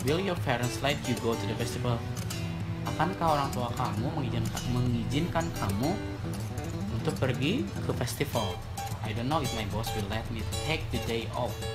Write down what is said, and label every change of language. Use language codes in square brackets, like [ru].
[en] Will your parents let you go to the festival? [id] Akankah orang tua kamu mengizinkan kamu untuk pergi ke festival? [en] I don't know if my boss will let me take the day off.